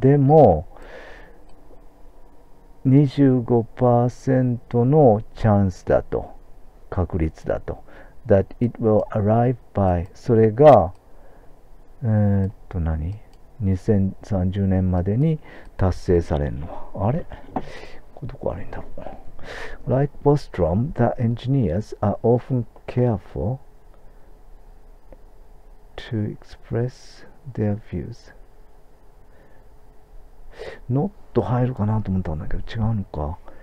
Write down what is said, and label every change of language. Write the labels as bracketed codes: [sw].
[ja] でも、25% のチャンスだと。確率だと。 [en] That it will arrive by [ja] それが何？ 2030 年までに達成されるの。あれ？これどこ悪いんだろう。 [en] Like Bostrom, the engineers are often careful to express their views. [ja] Not 入るかなと思ったんだけど違うのか。